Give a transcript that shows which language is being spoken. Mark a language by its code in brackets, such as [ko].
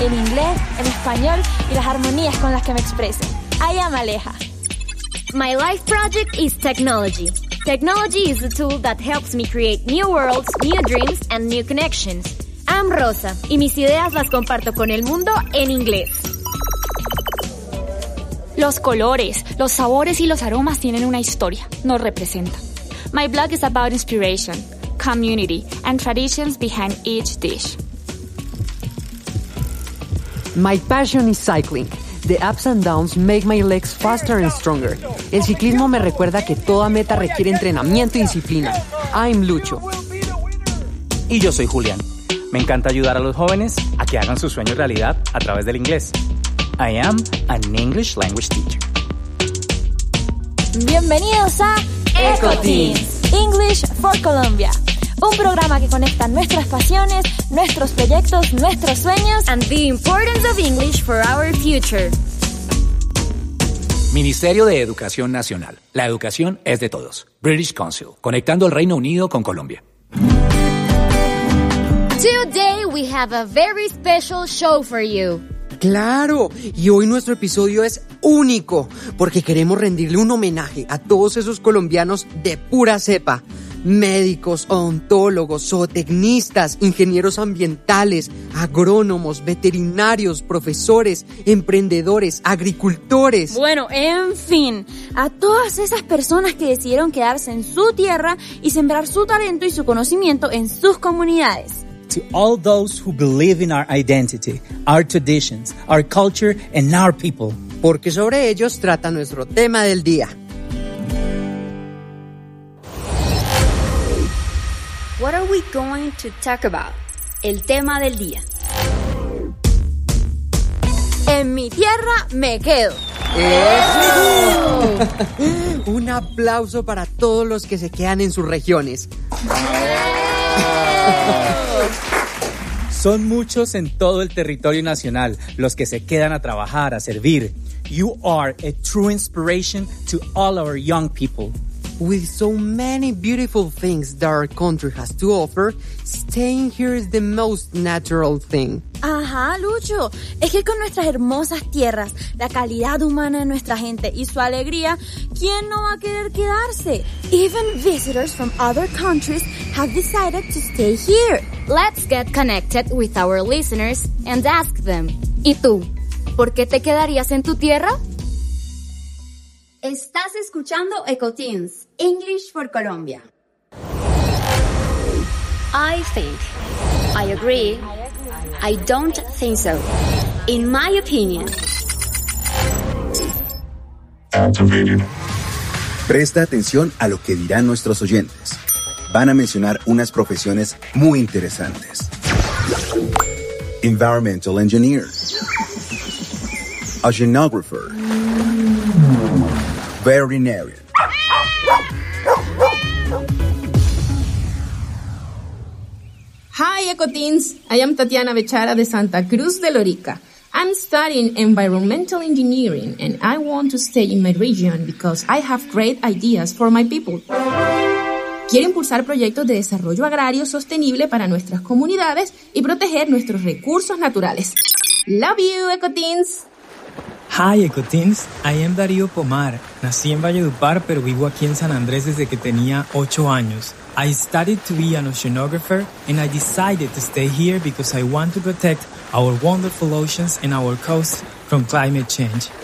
[es] En inglés, en español y las armonías con las que me expreso. [en] I am Aleja. My life project is technology. Technology is a tool that helps me create new worlds, new dreams, and new connections. I'm Rosa, [es] y mis ideas las comparto con el mundo en inglés. Los colores, los sabores y los aromas tienen una historia, nos representan. [en] My blog is about inspiration, community, and traditions behind each dish. My passion is cycling. The ups and downs make my legs faster and stronger. [es] El ciclismo me recuerda que toda meta requiere entrenamiento y disciplina. [en] I'm Lucho. [es] Y yo soy Julián. Me encanta ayudar a los jóvenes a que hagan sus sueños realidad a través del inglés. [en] I am an English language teacher. [es] Bienvenidos a EcoTeens, [en] English for Colombia. [es] Un programa que conecta nuestras pasiones, nuestros proyectos, nuestros sueños [en] and the importance of English for our future. [es] Ministerio de Educación Nacional. La educación es de todos. British Council. Conectando el Reino Unido con Colombia. [en] Today we have a very special show for you. [es] ¡Claro! Y hoy nuestro episodio es único porque queremos rendirle un homenaje a todos esos colombianos de pura cepa. Médicos, odontólogos, zootecnistas, ingenieros ambientales, agrónomos, veterinarios, profesores, emprendedores, agricultores. Bueno, en fin, a todas esas personas que decidieron quedarse en su tierra y sembrar su talento y su conocimiento en sus comunidades. [en] To all those who believe in our identity, our traditions, our culture and our people. [es] Porque sobre ellos trata nuestro tema del día. [en] What are we going to talk about? [es] El tema del día. En mi tierra me quedo. ¡Eso! Un aplauso para todos los que se quedan en sus regiones. Son muchos en todo el territorio nacional los que se quedan a trabajar, a servir. [en] You are a true inspiration to all our young people. With so many beautiful things that our country has to offer, staying here is the most natural thing. [es] Ajá, Lucho. Es que con nuestras hermosas tierras, la calidad humana de nuestra gente y su alegría, ¿quién no va a querer quedarse? [en] Even visitors from other countries have decided to stay here. Let's get connected with our listeners and ask them. [es] ¿Y tú? ¿Por qué te quedarías en tu tierra? Estás escuchando EcoTeens, English for Colombia. [en] I think. I agree. I don't think so. In my opinion. [es] Presta atención a lo que dirán nuestros oyentes. Van a mencionar unas profesiones muy interesantes. [en] Environmental engineer. Oceanographer. Veterinarian. Hi, EcoTeens. I am Tatiana Bechara de Santa Cruz de Lorica. I'm studying environmental engineering and I want to stay in my region because I have great ideas for my people. [es] Quiero impulsar proyectos de desarrollo agrario sostenible para nuestras comunidades y proteger nuestros recursos naturales. [en] Love you, EcoTeens. Hi, EcoTeens. I am Darío Pomar. [es] Nací en Valledupar, pero vivo aquí en San Andrés desde que tenía 8 años. [en] I studied to be an oceanographer, and I decided to stay here because I want to protect our wonderful oceans and our coasts from climate change.